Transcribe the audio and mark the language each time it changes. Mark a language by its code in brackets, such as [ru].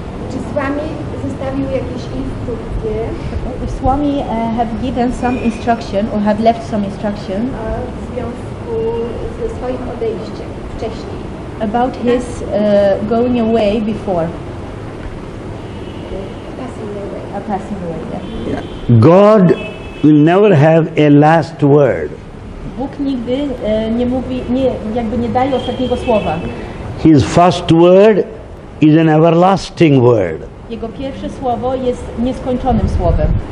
[pl] czy Swami zostawił jakieś instrukcje? [en] If Swami have given some instruction or have left some instruction [pl] w związku ze swoim odejściem wcześniej. [en] About his going away before. A passing away. Yeah. God will never have a last word. [pl] Bóg nigdy nie mówi, nie daje ostatniego słowa. [en] His first word is an everlasting word. [pl] Jego pierwsze słowo jest nieskończonym słowem.